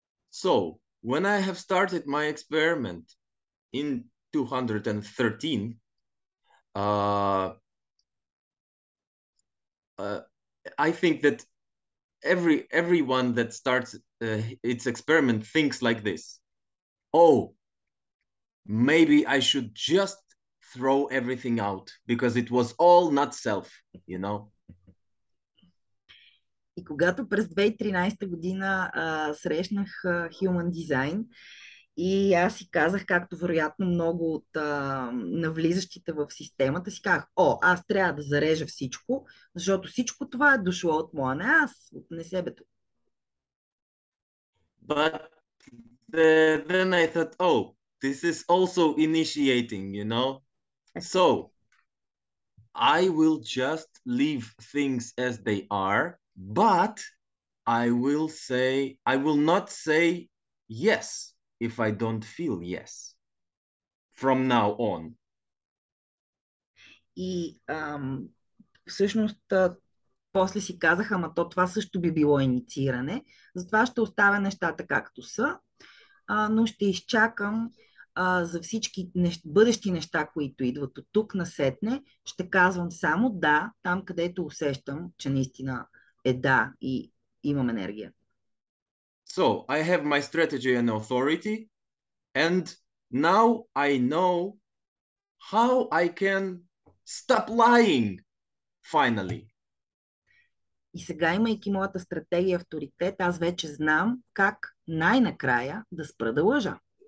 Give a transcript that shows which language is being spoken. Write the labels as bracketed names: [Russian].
[English] So, when I have started my experiment in 213, I think that everyone that starts its experiment thinks like this. Oh, maybe I should just throw everything out because it was all not self, you know? [Bulgarian] И когато през 2013 година срещнах Human Design И аз си казах, както вероятно много от навлизащите в системата, си казах, о, аз трябва да зарежа всичко, защото всичко това е дошло от моя, не аз, от не себето. [English] But then I thought, oh, this is also initiating, you know? So, I will just leave things as they are, but I will not say yes if I don't feel yes from now on. [Bulgarian] И всъщност после си казах, ама то това също би било иницииране, затова ще оставя нещата както са, но ще изчакам за всички бъдещи неща, които идват от тук насетне, ще казвам само да, там където усещам, че наистина е да и имам енергия. [English] So, I have my strategy and authority, and now I know how I can stop lying, finally. [Bulgarian] И сега, имайки моята стратегия и авторитет, аз вече знам как най-накрая да спра да лъжа.